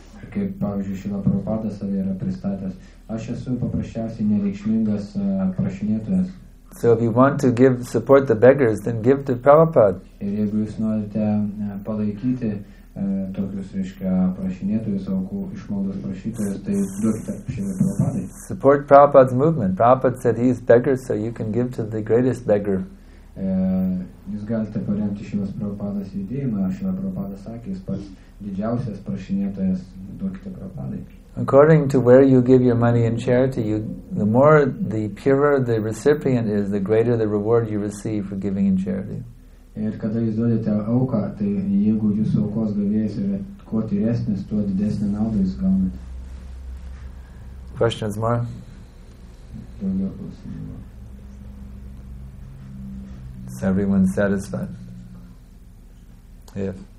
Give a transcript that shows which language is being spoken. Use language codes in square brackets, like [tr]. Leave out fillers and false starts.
[lt] Kaip, pavyzdžiui, Šrila Prabhupada save yra pristatęs, aš esu paprasčiausiai nereikšmingas prašinėtojas. [en] So if you want to give support the beggars, then give to Prabhupada. [lt] Ir jeigu jūs norite palaikyti tokius, reiškia, prašinėtojus, aukų išmaldos prašytojus, tai duokite Šrila Prabhupadai. [en] Support Prabhupada's movement. Prabhupada said he is beggar, so you can give to the greatest beggar. [lt] Jūs galite paremti Šrilos Prabhupadas judėjimą, ar Šrila Prabhupada sakė, jis pats didžiausias prašinėtojas, duokite Prabhupadai. [en] According to where you give your money in charity, the more, the purer the recipient is, the greater the reward you receive for giving in charity. [lt] Ir kada jūs duodate auką, tai jeigu jūsų aukos gavėjas yra kuo tyresnis, tuo didesnį naudą jūs gaunate. [en] Questions more? [lt] Daugiau klausimų. [en] Is everyone satisfied? Yes.